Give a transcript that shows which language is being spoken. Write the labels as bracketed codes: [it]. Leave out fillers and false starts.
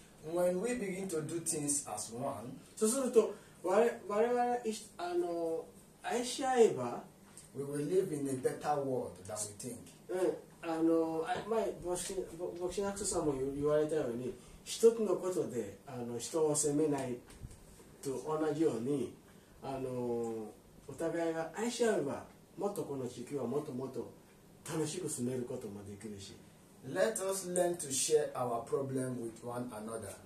[en] When we begin to do things as one, [ja] そうすると我々あの愛し合えば、 [en] we will live in a better world than we think. [ja] あの前牧師アクソさんも言われたように、一つのことであの人を責めないと同じように、あのお互いが愛し合えば、もっとこの地球はもっともっと楽しく住めることもできるし。 [en] Let us learn to share our problem with one another.